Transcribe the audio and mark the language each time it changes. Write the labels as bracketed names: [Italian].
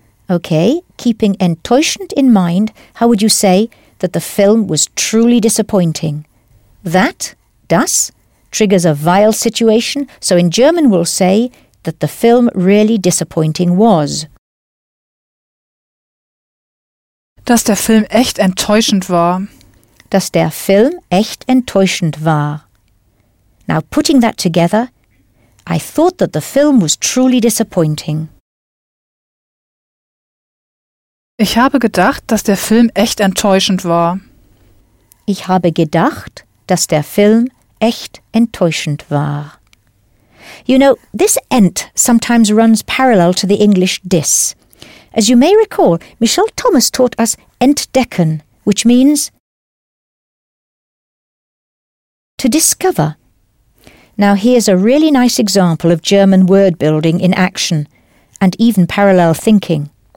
[English] Okay, keeping enttäuschend in mind, how would you say that the film was truly disappointing? That, das, triggers a vile situation, so in German we'll say that the film really disappointing was. [German] Dass der Film echt enttäuschend war. Dass der Film echt enttäuschend war. [English] Now putting that together, I thought that the film was truly disappointing. [German] Ich habe gedacht, dass der Film echt enttäuschend war. Ich habe gedacht, dass der Film echt enttäuschend war. [English] You know, this ent sometimes runs parallel to the English dis. As you may recall, Michelle Thomas taught us entdecken, which means to discover. Now here's a really nice example of German word building in action and even parallel thinking.